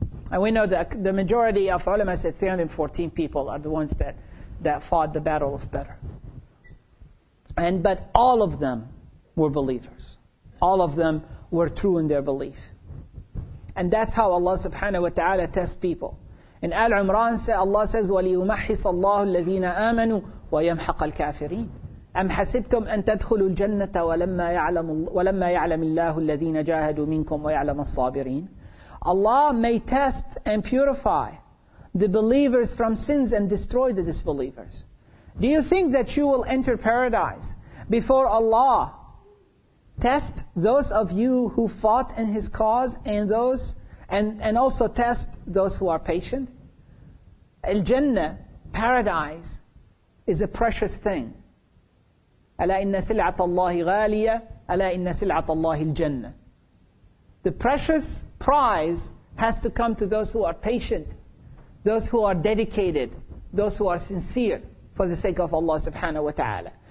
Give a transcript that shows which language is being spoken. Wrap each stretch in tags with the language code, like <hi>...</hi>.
<en>And we know that the majority of ulama said 314 people are the ones that fought the Battle of Badr. But all of them were believers. All of them were true in their belief. And that's how Allah subhanahu wa ta'ala tests people. In Al-Imran, Allah says,</en> <ar>وَلِيُمَحِّصَ اللَّهُ الَّذِينَ آمَنُوا وَيَمْحَقَ الْكَافِرِينَ أَمْ حَسِبْتُمْ أَن تَدْخُلُوا الْجَنَّةَ وَلَمَّا يَعْلَمِ اللَّهُ الَّذِينَ جَاهَدُوا مِنْكُمْ وَيَعْلَمَ الصَّابِرِينَ</ar> <en>Allah may test and purify the believers from sins and destroy the disbelievers. Do you think that you will enter paradise before Allah test those of you who fought in His cause and those And also test those who are patient. Al-Jannah paradise is a precious thing.</en> <ar>أَلَا إِنَّ سِلْعَةَ اللَّهِ غَالِيَةَ أَلَا إِنَّ سِلْعَةَ اللَّهِ الْجَنَّةِ</ar> <en>The precious prize has to come to those who are patient, those who are dedicated, those who are sincere for the sake of Allah subhanahu wa ta'ala.</en>